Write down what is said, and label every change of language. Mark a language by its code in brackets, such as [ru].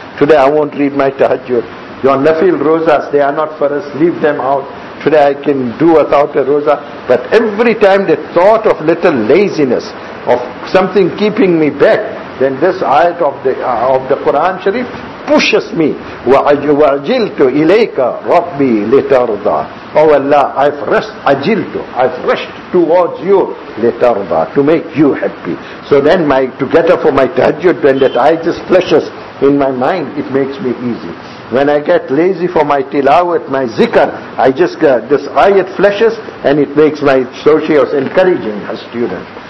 [en] Today I won't read my tahajjud. Your nafil rozas, they are not for us. Leave them out. Today I can do without a roza. But every time the thought of little laziness, of something keeping me back, then this ayat of the Quran Sharif pushes me, [ar] وَعَجِلْتُ إِلَيْكَ رَبِّي لِتَرْضَى. [en] Oh Allah, I've rushed towards you, [ar] لِتَرْضَى, [en] to make you happy. So then my, to get up for my tahajjud, when that ayah just flashes in my mind, it makes me easy. When I get lazy for my tilawat, my zikr, I just get this ayah flashes and it makes my socios encouraging her student.